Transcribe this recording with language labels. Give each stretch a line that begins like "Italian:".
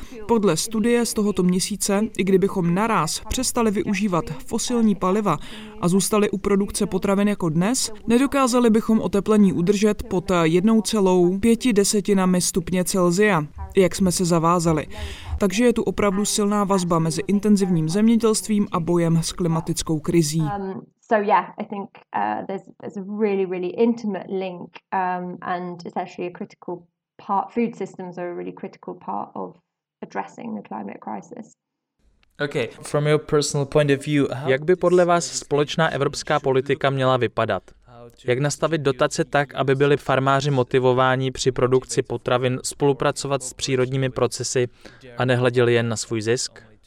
Czech: Podle studie z tohoto měsíce, i kdybychom naráz přestali využívat fosilní paliva a zůstali u produkce potravin jako dnes, nedokázali bychom oteplení udržet pod 1,5 stupně Celsia, jak jsme se zavázali. Takže je tu opravdu silná vazba mezi intenzivním zemědělstvím a bojem s klimatickou krizí.
English: There's a really, really intimate link, and it's actually a critical part. Food systems are a really critical part of addressing the climate crisis. Okay, from your personal point of view,
Czech: jak by podle vás společná evropská politika měla vypadat? Jak nastavit dotace tak, aby byli farmáři motivováni při produkci potravin spolupracovat s přírodními procesy a nehleděli jen na svůj zisk?